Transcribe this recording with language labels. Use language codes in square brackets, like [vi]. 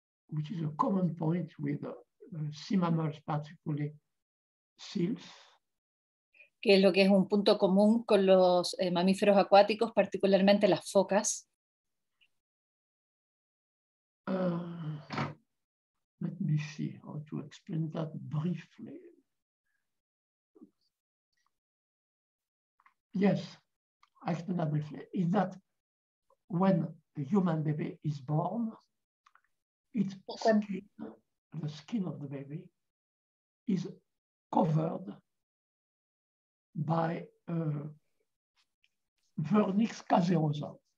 [en] Which is a common point with sea mammals, particularly seals. [es] Que es lo que es un punto común con los mamíferos acuáticos, particularmente las focas. [en] Let me see how to explain that briefly. Yes, I explain that briefly. Is that when a human baby is born, its skin, the skin of the baby, is covered by vernix caserosa.